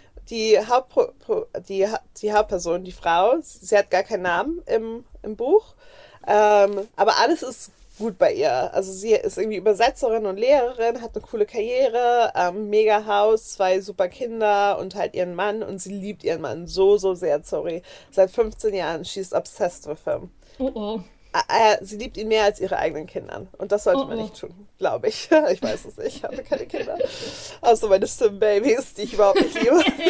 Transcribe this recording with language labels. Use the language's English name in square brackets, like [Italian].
[German] die Hauptperson, die Frau, sie hat gar keinen Namen im Buch. Aber alles ist gut bei ihr. Also sie ist irgendwie Übersetzerin und Lehrerin, hat eine coole Karriere, Mega-Haus, 2 super Kinder und halt ihren Mann. Und sie liebt ihren Mann so, so sehr, sorry. Seit 15 Jahren, [English] she is obsessed with him. Oh [German] Sie liebt ihn mehr als ihre eigenen Kinder. Und das sollte man oh. nicht tun, glaube ich. Ich weiß es nicht, ich habe keine Kinder. Außer meine Sim-Babys, die ich überhaupt nicht liebe.